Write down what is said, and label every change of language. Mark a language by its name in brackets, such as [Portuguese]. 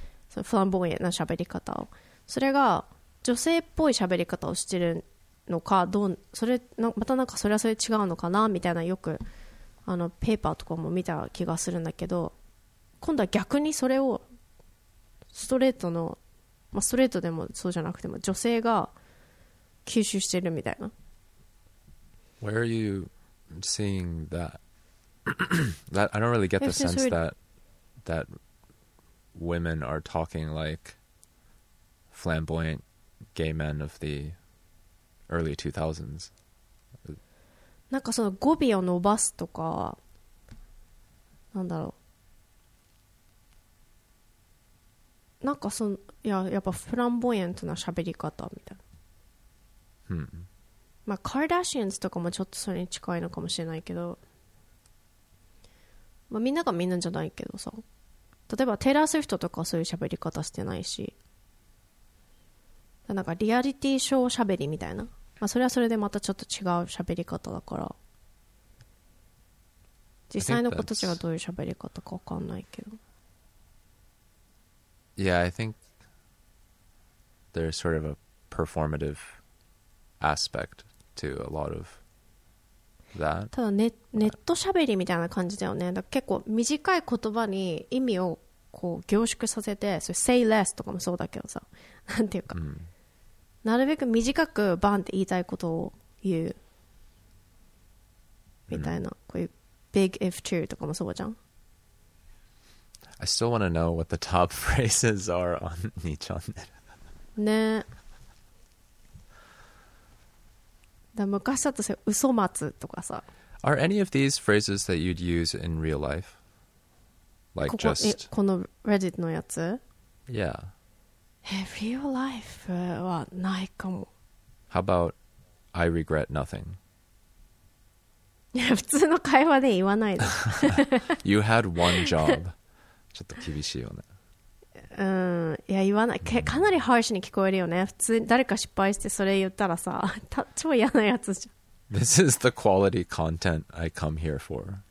[Japanese] そのフランボイエな喋り方を、それが女性っぽい喋り方をしてるのか、どう、それな、またなんかそれはそれ違うのかなみたいな、よくあのペーパーとかも見た気がするんだけど、今度は逆にそれをストレートの、まあ、ストレートでもそうじゃなくても女性が吸収してるみたいな。 [English] Where are you seeing that? I don't really get the sense that women are talking like flamboyant gay men of the early 2000s. [Japanese] なんかその語尾を伸ばすとか、なんだろう。なんかその、いや、 やっぱフランボイエントな喋り方みたいな、まあカーダシアンズとかもちょっとそれに近いのかもしれないけど、まあみんながみんなじゃないけどさ、例えばテイラー・スウィフトとかそういう喋り方してないし、なんかリアリティショー喋りみたいな、まあそれはそれでまたちょっと違う喋り方だから、実際の子たちがどういう喋り方かわかんないけど。 [English] Yeah, I think there's sort of a performative aspect to a lot of that. [Japanese] ただネット喋りみたいな感じだよね。だから結構短い言葉に意味をこう凝縮させて、それ say less とかもそうだけどさ、なんていうか、 mm. なるべく短くバンって言いたいことを言うみたいな、mm. こういう big if true とかもそうじゃん。 [English] I still want to know what the top phrases are on にチャンネル。 [Japanese] ね。だ昔だったさ、嘘待つとかさ。 [English] Are any of these phrases that you'd use in real life? Like、 [Japanese] ここ [English] just [Japanese] この Reddit のやつ [English] Yeah [Japanese] Real life はないかも。 [English] How about I regret nothing? [Japanese] 普通の会話で言わないで。 [English] You had one job. ちょっと厳しいよね。 [Japanese] うん、いや言わない、かなりハーシに聞こえるよね。普通に誰か失敗してそれ言ったらさ、超嫌なやつじゃん。 [English] This is the quality content I come here for.